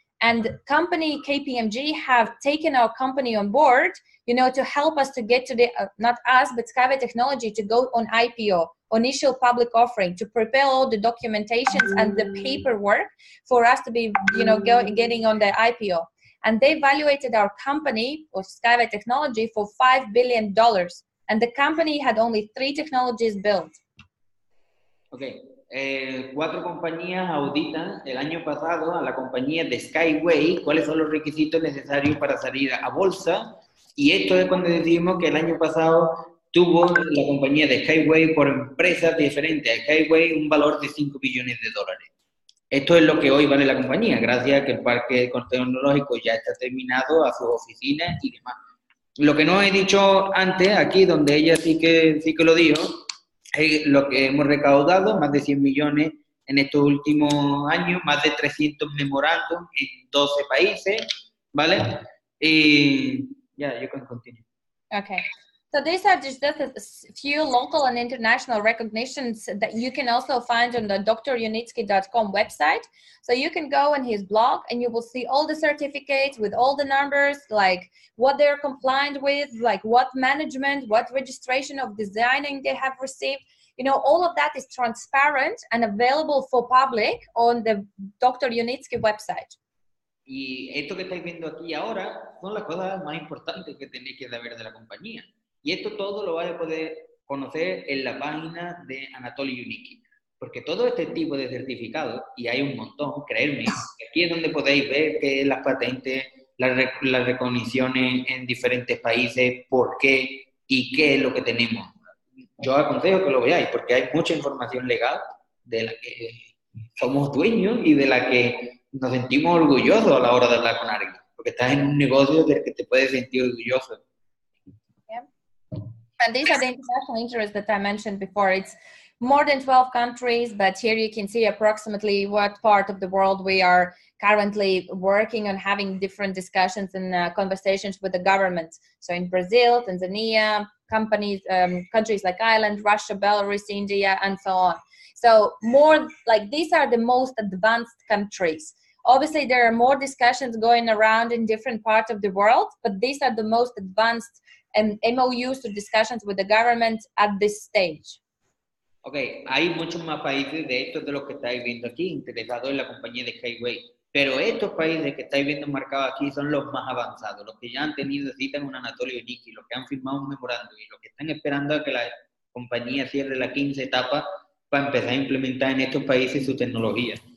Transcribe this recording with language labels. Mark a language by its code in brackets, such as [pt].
[en] And company KPMG have taken our company on board, you know, to help us to get to the, not us, but SkyWay Technology, to go on IPO, initial public offering, to prepare all the documentations and the paperwork for us to be, you know, getting on the IPO. And they evaluated our company, or SkyWay Technology, for $5 billion. And the company had only three technologies built. Okay. [es] Cuatro compañías auditan el año pasado a la compañía de SkyWay. ¿Cuáles son los requisitos necesarios para salir a bolsa? Y esto es cuando decimos que el año pasado tuvo la compañía de SkyWay por empresas diferentes a SkyWay un valor de $5 billones. Esto es lo que hoy vale la compañía, gracias a que el parque tecnológico ya está terminado, a sus oficinas y demás. Lo que no he dicho antes, aquí donde ella sí que lo dijo, es lo que hemos recaudado, más de 100 millones en estos últimos años, más de 300 memorándum en 12 países, ¿vale? Y ya, yo puedo continuar. [en] Okay. So these are just a few local and international recognitions that you can also find on the drunitsky.com website. So you can go on his blog and you will see all the certificates with all the numbers, like what they're compliant with, like what management, what registration of designing they have received. You know, all of that is transparent and available for public on the Dr. Yunitsky website. [es] Y esto que estáis viendo aquí ahora son las cosas más importantes que tenéis que saber de la compañía. Y esto todo lo vais a poder conocer en la página de Anatoly Yunitsky. Porque todo este tipo de certificados, y hay un montón, creedme, aquí es donde podéis ver qué es las patentes, las recogniciones en diferentes países, por qué y qué es lo que tenemos. Yo aconsejo que lo veáis, porque hay mucha información legal de la que somos dueños y de la que nos sentimos orgullosos a la hora de hablar con alguien. Porque estás en un negocio del que te puedes sentir orgulloso. [en] And these are the international interests that I mentioned before. It's more than 12 countries, but here you can see approximately what part of the world we are currently working on having different discussions and conversations with the government. So in Brazil, Tanzania, companies, countries like Ireland, Russia, Belarus, India, and so on. So more like these are the most advanced countries. Obviously, there are more discussions going around in different parts of the world, but these are the most advanced and MOUs to discussions with the government at this stage. [es] Okay, hay muchos más países de estos de los que estáis viendo aquí interesados en la compañía de SkyWay, pero estos países que estáis viendo marcados aquí son los más avanzados, los que ya han tenido cita en un Anatoly Yunitsky, los que han firmado un memorándum y los que están esperando a que la compañía cierre la 15 etapa para empezar a implementar en estos países su tecnología.